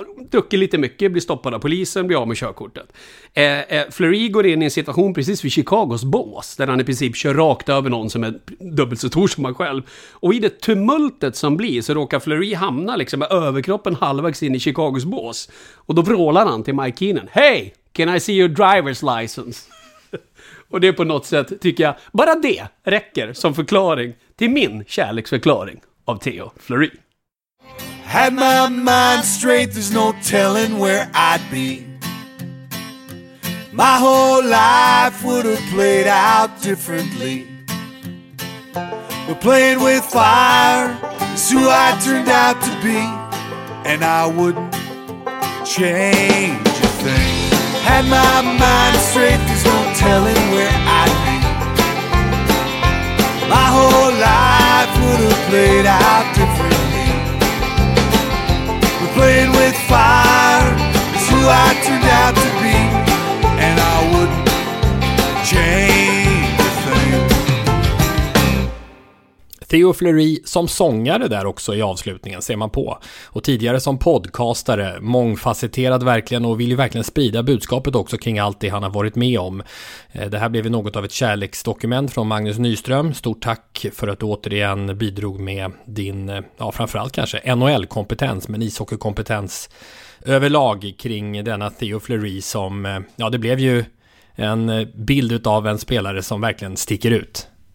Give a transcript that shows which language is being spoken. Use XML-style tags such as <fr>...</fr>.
<sv>Druckit lite mycket, blir stoppad av polisen, blir av med körkortet. Fleury går in i en situation precis vid Chicagos bås, där han i princip kör rakt över någon som är dubbelt så stor som han själv. Och i det tumultet som blir så råkar Fleury hamna liksom med överkroppen halvvägs in i Chicagos bås. Och då vrålar han till Mike Keenan.</sv> <en>Hey, can I see your driver's license?</en> <sv>Och det är på något sätt, tycker jag, bara det räcker som förklaring. Det är min kärleksförklaring av Theo Fleury.</sv> <en>Had my mind straight, there's no telling where I'd be. My whole life would have played out differently. But playing with fire is who I turned out to be. And I wouldn't change a thing. Had my mind straight, there's no telling where I'd be. My whole life would have played out differently. But playing with fire is who I turned out to be. And I wouldn't change a thing.</en> <sv>Theo Fleury som sångare där också i avslutningen ser man på. Och tidigare som podcastare, mångfacetterad verkligen och vill ju verkligen sprida budskapet också kring allt det han har varit med om. Det här blev något av ett kärleksdokument från Magnus Nyström. Stort tack för att du återigen bidrog med din, ja framförallt kanske NHL-kompetens, men ishockeykompetens överlag kring denna Theo Fleury som, ja det blev ju en bild av en spelare som verkligen sticker ut.</sv>